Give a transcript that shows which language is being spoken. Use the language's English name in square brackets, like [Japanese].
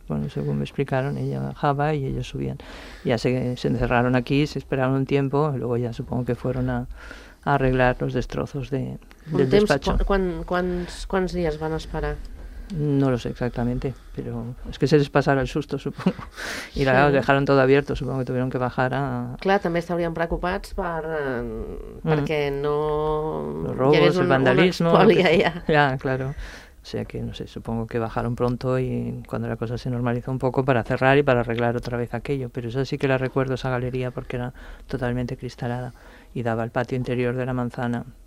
[Spanish] Bueno, según me explicaron, ella bajaba y ellos subían. Ya se encerraron aquí, se esperaron un tiempo, luego ya supongo que fueron a arreglar los destrozos del despacho. ¿Cuántos días van a esperar? No lo sé exactamente, pero es que se les pasara el susto, supongo. Y sí, lo dejaron todo abierto, supongo que tuvieron que bajar a... [Catalan] Clar, també estarien preocupats perquè no... [Spanish] Los robos, el vandalismo... Ya, claro. O sea que, no sé, supongo que bajaron pronto y cuando la cosa se normalizó un poco para cerrar y para arreglar otra vez aquello. Pero eso sí que la recuerdo, esa galería, porque era totalmente cristalada y daba al patio interior de la manzana.